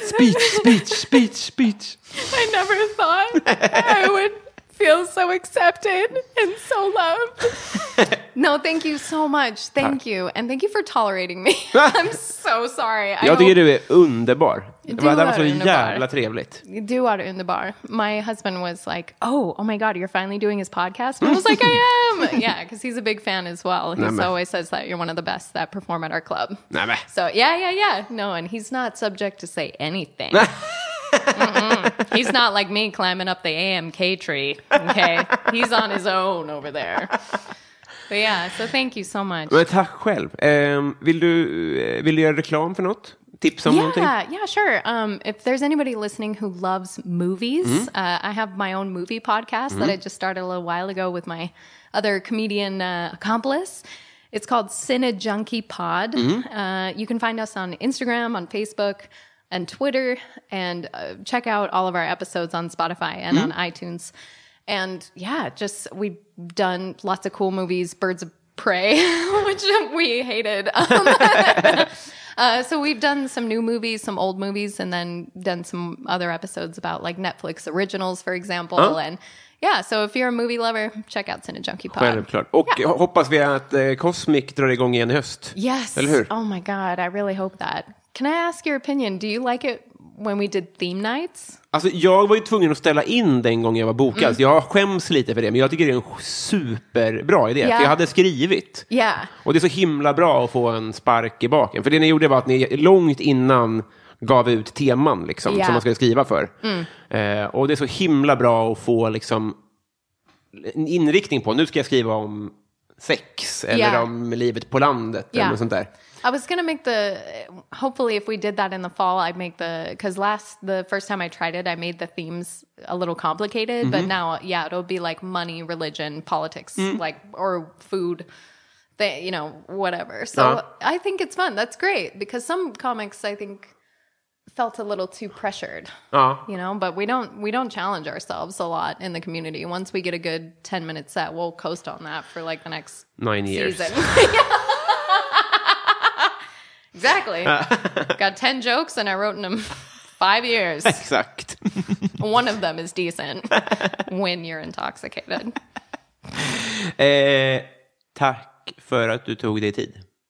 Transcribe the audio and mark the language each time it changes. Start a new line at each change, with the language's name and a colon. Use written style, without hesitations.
English: speech. I never thought I would feel so accepted and so loved. No, thank you so much. Thank you. And thank you for tolerating me. I'm so sorry.
Swedish: Jag tycker du är underbar. Det var så jävla trevligt. Du är underbar.
English: My husband was like, oh my god, you're finally doing his podcast. And I was like, I am. Yeah, because he's a big fan as well. He always says that you're one of the best that perform at our club.
Swedish: Nämen.
English: So yeah. No, and he's not subject to say anything. He's not like me climbing up the AMK tree. Okay, he's on his own over there. But yeah, so thank you so much.
Swedish: Men tack själv. Vill du göra reklam för något? Tips om någonting?
English: Yeah, sure. If there's anybody listening who loves movies, I have my own movie podcast that I just started a little while ago with my other comedian accomplice. It's called Cine Junkie Pod. You can find us on Instagram, on Facebook, and Twitter, and check out all of our episodes on Spotify and on iTunes. And yeah, just we've done lots of cool movies, Birds of Prey, which we hated. So we've done some new movies, some old movies, and then done some other episodes about like Netflix originals, for example. Huh? And yeah, so if you're a movie lover, check out Cine Junkie Pod.
Swedish: Självklart. Och yeah. Hoppas vi att Cosmic drar igång igen i höst.
English: Yes.
Swedish: Eller hur?
English: Oh my god, I really hope that. Can I ask your opinion? Do you like it when we did theme nights?
Swedish: Alltså, jag var ju tvungen att ställa in den gången jag var bokad. Mm. Så jag skäms lite för det, men jag tycker det är en superbra idé. Yeah. För jag hade skrivit.
English: Yeah.
Swedish: Och det är så himla bra att få en spark i baken. För det ni gjorde var att ni långt innan gav ut teman liksom, som man skulle skriva för. Och det är så himla bra att få liksom, en inriktning på. Nu ska jag skriva om sex eller om livet på landet eller sånt där.
English: I was going to make the, hopefully if we did that in the fall, I'd make the, because last, the first time I tried it, I made the themes a little complicated, but now, yeah, it'll be like money, religion, politics, like, or food, you know, whatever. So I think it's fun. That's great. Because some comics, I think, felt a little too pressured, you know, but we don't challenge ourselves a lot in the community. Once we get a good 10-minute set, we'll coast on that for like the next 9 years. Season. Exactly. Got 10 jokes and I wrote in them 5 years.
Swedish: Exakt.
English: One of them is decent when you're intoxicated.
Swedish: Tack för att du tog dig tid.